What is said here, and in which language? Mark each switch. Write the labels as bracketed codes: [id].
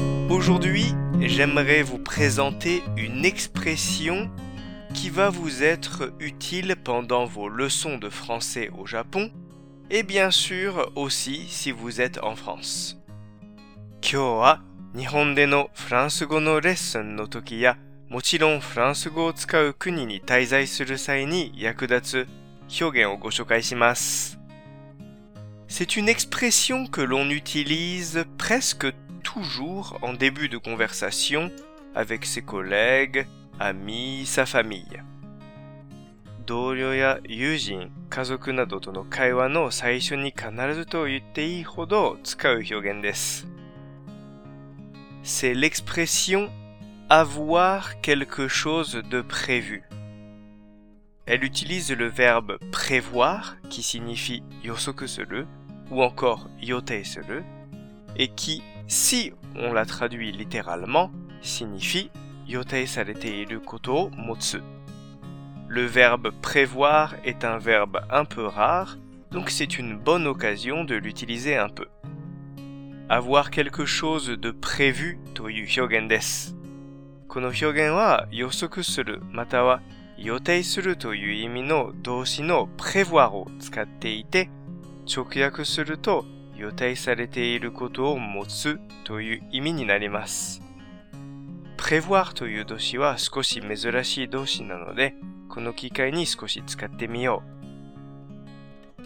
[fr] Aujourd'hui, j'aimerais vous présenter une expression qui va vous être utile pendant vos leçons de français au Japon et bien sûr aussi si vous êtes en France. [ja] 今日は日本でのフランス語のレッスンの時やもちろんフランス語を使う国に滞在する際に役立つ表現をご紹介します。 [fr] C'est une expression que l'on utilise presque toujours en début de conversation avec ses collègues, amis, sa famille. [ja] 同僚や友人、家族などとの会話の最初に必ずと言っていいほど使う表現です。 [fr] C'est l'expression « avoir quelque chose de prévu ». Elle utilise le verbe « prévoir » qui signifie « [ja] 予測する [fr] » ou encore « [ja] 予定する [fr] » et qui, si on la traduit littéralement, signifie « [ja] 予定されていることを持つ ». [fr] Le verbe « prévoir » est un verbe un peu rare, donc c'est une bonne occasion de l'utiliser un peu. Avoir quelque chose de prévu [ja] という表現です。この表現は予測するまたは予定するという意味の動詞の prévoir を使っていて、直訳すると予定されていることを持つという意味になります。 prévoir という動詞は少し珍しい動詞なので、この機会に少し使ってみよう。